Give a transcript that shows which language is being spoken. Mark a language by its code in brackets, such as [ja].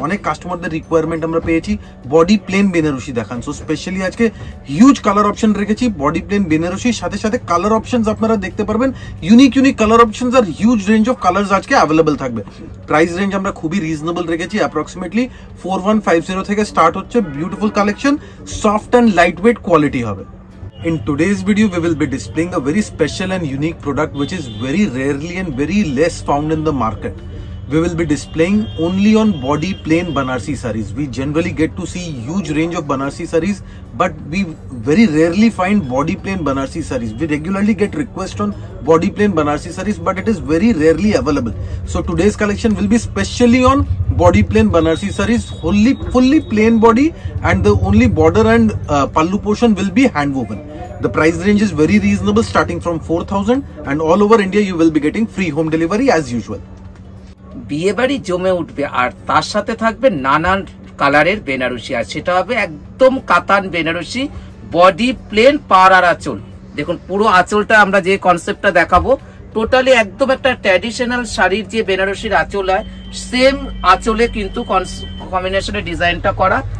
[bn] অনেক কাস্টমারদের রিকোয়ারমেন্ট আমরা পেয়েছি বডি প্লেন বেনারসি দেখান, সো স্পেশালি আজকে হিউজ কালার অপশন রেখেছি বডি প্লেন বেনারসির সাথে সাথে কালার অপশনস আপনারা দেখতে পারবেন, unique unique colour options আর huge range of colours আজকে অ্যাভেলেবল থাকবে। প্রাইস রেঞ্জ আমরা খুবই রিজনেবল রেখেছি, অ্যাপ্রক্সিমেটলি 4150 থেকে স্টার্ট হচ্ছে। Beautiful collection, soft and light weight quality হবে। [en] In today's video, we will be displaying a very special and unique product which is very rarely and very less found in the market. We will be displaying only on body plain Banarsi sarees. We generally get to see huge range of Banarsi sarees, but we very rarely find body plain Banarsi sarees. We regularly get requests on body plain Banarsi sarees, but it is very rarely available. So today's collection will be specially on body plain Banarsi sarees, fully plain body, and the only border and pallu portion will be hand woven. The price range is very reasonable, starting from 4000, and all over India you will be getting free home delivery as usual. [bn] বিয়ে বাড়ি জমে উঠবে, আর তার সাথে থাকবে নানান কালারের বেনারসি, আর সেটা হবে একদম কাতান বেনারসি, বডি প্লেন পাড়ার আঁচল। দেখুন পুরো আঁচলটা আমরা যে কনসেপ্টটা দেখাবো, টোটালি একদম একটা ট্র্যাডিশনাল শাড়ির যে বেনারসির আঁচল হয় সেম আঁচলে কিন্তু কম্বিনেশনে ডিজাইনটা করা।